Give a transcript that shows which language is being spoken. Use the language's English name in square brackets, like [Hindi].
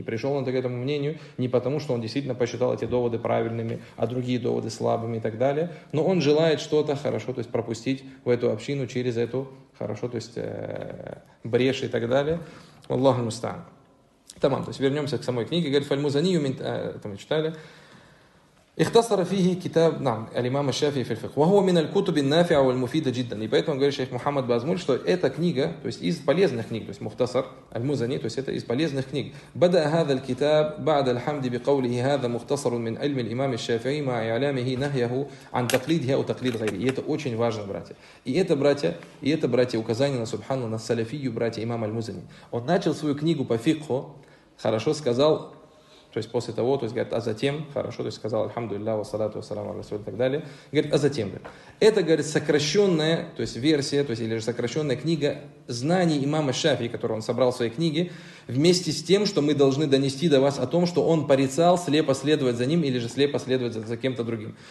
[Russian] И пришел он к этому мнению не потому, что он действительно посчитал эти доводы правильными, а другие доводы слабыми и так далее. Но он желает что-то, хорошо, то есть пропустить в эту общину через эту, хорошо, то есть брешь и так далее. Аллаху мустаан. Тамам. То есть вернемся к самой книге. Говорит, фальмузанию, это мы читали. [Arabic] اختصر فيه كتاب نعم الإمام الشافعي في الفقه وهو من الكتب النافعة والمفيدة جدا. [Russian] И поэтому говорит шейх Мухаммад Базмуль, что эта книга, то есть из полезных книг, то есть مختصر المزني, то есть это из полезных книг. [Arabic] بدأ هذا الكتاب بعد الحمد بقوله هذا مختصر من علم الإمام الشافعي مع إعلامه نهيه عن تقليده أو تقليد غيره. [Russian] И это очень важно, братья. И это, братья, указание на Субхану, на салафию, братья, имама المزني. Он начал свою книгу по фикху, хорошо сказал. То есть после того, то есть говорит, а затем, хорошо, то есть сказал, альхамдулилля, вассалату вассаламу алейкум и так далее. Говорит, а затем, это, говорит, сокращенная, то есть версия, то есть или же сокращенная книга знаний имама Шафии, которую он собрал в своей книге, вместе с тем, что мы должны донести до вас о том, что он порицал слепо следовать за ним или же слепо следовать за кем-то другим.